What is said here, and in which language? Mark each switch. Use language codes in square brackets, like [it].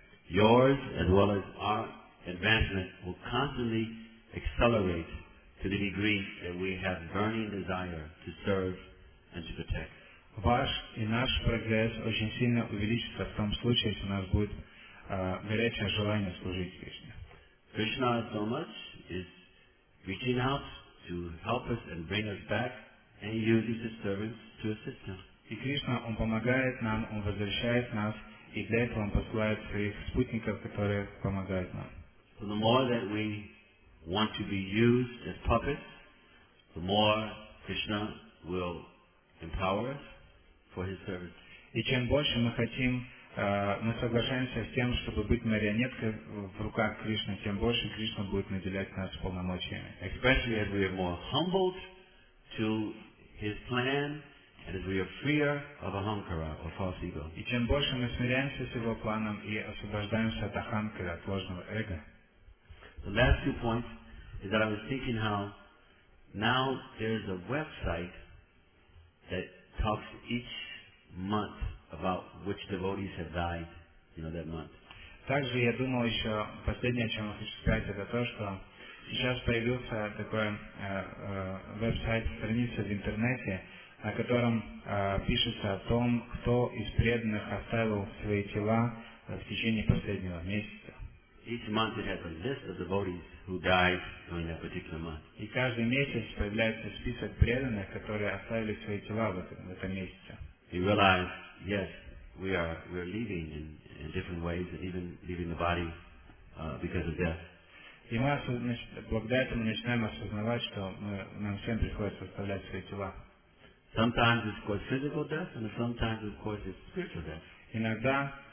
[en] Yours, as well as our advancement, will constantly accelerate to the degree that we have burning desire to serve and to protect. [ru] Ваш и наш прогресс очень сильно увеличится в том случае, если у нас будет горячее желание служить Кришне. [en] Krishna so much is reaching out to help us and bring us back and using his servants to assist us. [ru] И Кришна, Он помогает нам, Он возвращает нас, и для этого Он посылает своих спутников, которые помогают нам. [en] So the more that we want to be used as puppets, the more Krishna will empower us for His service. [ru] И чем больше мы хотим, мы соглашаемся с тем, чтобы быть марионеткой в руках Кришны, тем больше Кришна будет наделять нас полномочиями. [en] Especially as we are more humbled to His plan, and as we are freer of ahankara, or false ego. [ru] И чем больше мы смиряемся с его планом и освобождаемся от аханкара, от ложного эго. [en] The last two points is that I was thinking how now there is a website that talks each month about which devotees have died, you know, that month. [ru] Также я думал еще последнее, о чем я хочу сказать, это то, что сейчас появился такой веб-сайт, страница в интернете, на котором пишется о том, кто из преданных оставил свои тела в течение последнего месяца. [en] Each month it has a list of devotees who died during that particular month. [ru] И каждый месяц появляется список преданных, которые оставили свои тела в этом месяце. [en] You realize, yes, we are leaving in different ways, even leaving the body because of death. [ru] И мы, значит, благодаря этому начинаем осознавать, что нам всем приходится оставлять свои тела. [en] Sometimes it's called physical death, and sometimes, of course, it's spiritual death.